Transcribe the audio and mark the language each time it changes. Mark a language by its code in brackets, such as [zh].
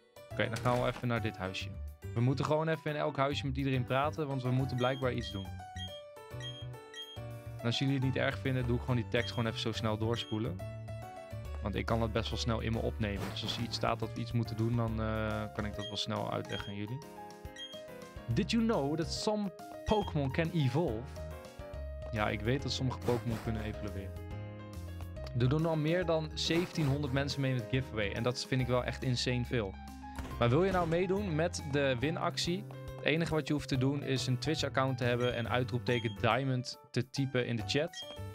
[nl] Oké, dan gaan we even naar dit huisje. We moeten gewoon even in elk huisje met iedereen praten, want we moeten blijkbaar iets doen. En als jullie het niet erg vinden, doe ik gewoon die tekst gewoon even zo snel doorspoelen. Want ik kan dat best wel snel in me opnemen. Dus als er iets staat dat we iets moeten doen, dan kan ik dat wel snel uitleggen aan jullie. [en] Did you know that some Pokémon can evolve? [nl] Ja, ik weet dat sommige Pokémon kunnen evolueren. Er doen al meer dan 1700 mensen mee met giveaway. En dat vind ik wel echt insane veel. Maar wil je nou meedoen met de winactie? Het enige wat je hoeft te doen is een Twitch-account te hebben en uitroepteken Diamond te typen in de chat.